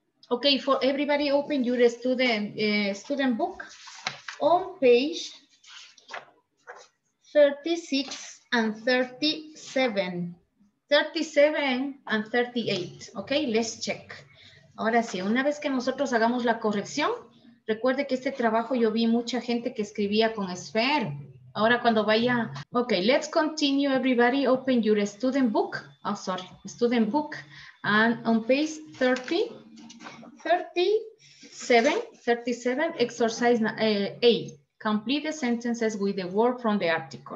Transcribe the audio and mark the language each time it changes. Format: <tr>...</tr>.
<en>Okay, for everybody, open your student book on page 36 and 37. 37 and 38. Okay, let's check.</en> <es>Ahora sí, una vez que nosotros hagamos la corrección, recuerde que este trabajo yo vi mucha gente que escribía con Sphere. Ahora cuando vaya,</es> <en>ok, let's continue everybody, open your student book, oh sorry, student book, and on page 37, exercise A, complete the sentences with the word from the article.</en>